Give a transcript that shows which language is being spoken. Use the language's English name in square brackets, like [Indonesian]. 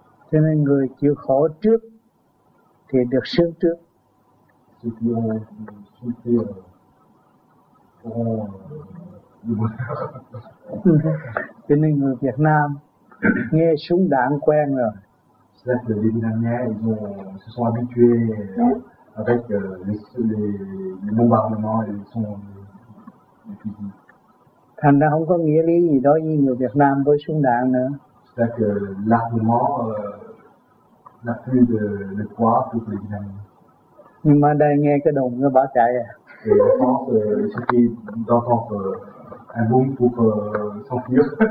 [Vietnamese] Cho nên người chịu khổ trước thì được sướng trước. [French] Ceux qui ont souffert auront le bonheur. [Vietnamese] Cho nên người Việt Nam nghe súng đạn quen rồi. [French] C'est-à-dire que les Vietnamiens, ils ont, se sont habitués. Avec les bombardements, ils sont les fusils. [Vietnamese] Thành ra không có nghĩa lý gì đối với người Việt Nam với súng đạn nữa. [French] C'est-à-dire que l'armement n'a plus de poids pour les Vietnamiens. [Vietnamese] Nhưng mà đây nghe cái đồn nó bỏ chạy à. [French] Et en France, il suffit d'entendre un boom pour s'enfuir.